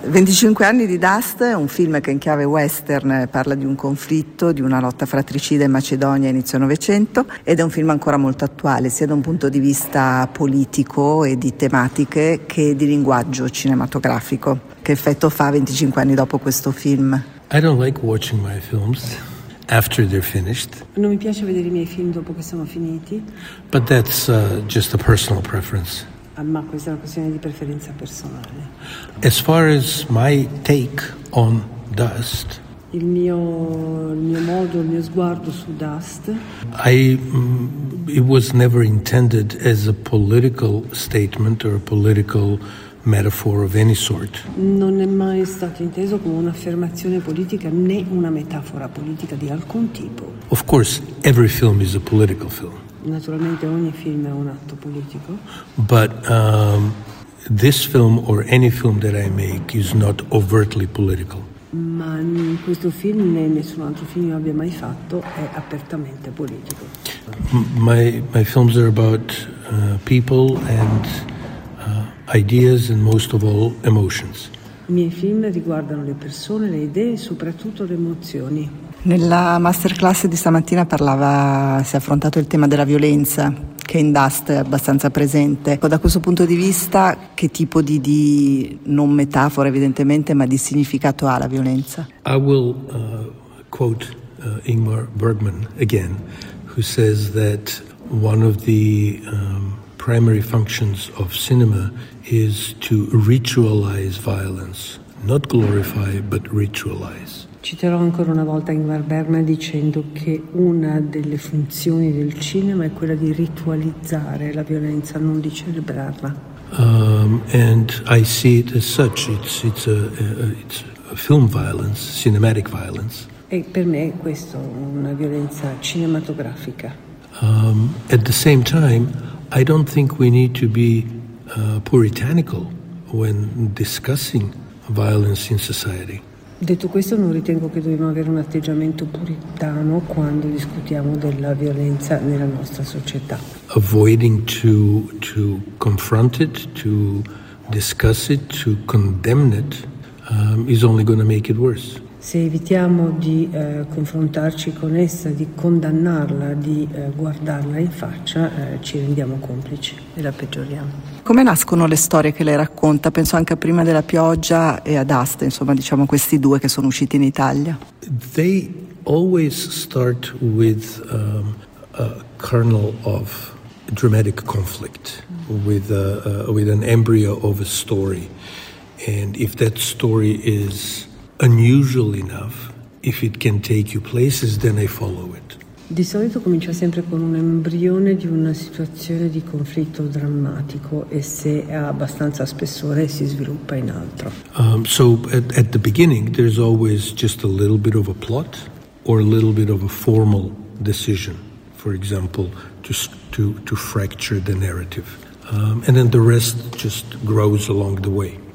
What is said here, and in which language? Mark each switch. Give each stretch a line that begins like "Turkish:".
Italian: 25 anni di Dust è un film che in chiave western parla di un conflitto, di una lotta fratricida in Macedonia inizio Novecento, ed è un film ancora molto attuale sia da un punto di vista politico e di tematiche che di linguaggio cinematografico. Che effetto fa 25 anni dopo questo film?
English: I don't like watching my films after they're finished.
Italian: Non mi piace vedere i miei film dopo che sono finiti.
English: But that's just a personal preference.
Italian: Ma questa è una questione di preferenza personale.
English: As far as my take on Dust,
Italian: il mio modo, il mio sguardo su Dust,
English: it was never intended as a political statement or a political metaphor of any sort.
Italian: Non è mai stato inteso come un'affermazione politica né una metafora politica di alcun tipo.
English: Of course, every film is a political film.
Italian: Naturalmente ogni film è un atto politico.
English: But this film or any film that I make is not overtly political.
Italian: Ma questo film, né nessun altro film che abbia mai fatto, è apertamente politico.
English: My films are about people and ideas and most of all emotions.
Italian: I miei film riguardano le persone, le idee e soprattutto le emozioni. Nella masterclass di stamattina si è affrontato il tema della violenza, che in Dust è abbastanza presente. Da questo punto di vista, che tipo di non metafora evidentemente, ma di significato ha la violenza?
English: I will quote Ingmar Bergman again, who says that one of the primary functions of cinema is to ritualize violence, not glorify, but ritualize.
Italian: Citerò ancora una volta Ingmar Bergman dicendo che una delle funzioni del cinema è quella di ritualizzare la violenza, non di celebrarla.
English: And I see it as such. It's a film violence, cinematic violence.
Italian: E per me questo è una violenza cinematografica.
English: At the same time, I don't think we need to be puritanical when discussing violence in society.
Italian: Detto questo, non ritengo che dobbiamo avere un atteggiamento puritano quando discutiamo della violenza nella nostra società.
English: Avoiding to confront it, to discuss it, to condemn it, is only going to make it worse.
Italian: Se evitiamo di confrontarci con essa, di condannarla, di guardarla in faccia, ci rendiamo complici e la peggioriamo. Come nascono le storie che lei racconta? Penso anche a Prima della pioggia e a Dust, insomma, diciamo questi due che sono usciti in Italia.
English: They always start with a kernel of dramatic conflict, with an embryo of a story. And if that story is unusual enough, if it can take you places, then I follow it.
Italian: Di solito comincia sempre con un embrione di una situazione di conflitto drammatico e se ha abbastanza spessore si sviluppa in altro.
English: So at the beginning there's always just a little bit of a plot or a little bit of a formal decision, for example, to fracture the narrative. And then the rest just grows along the way.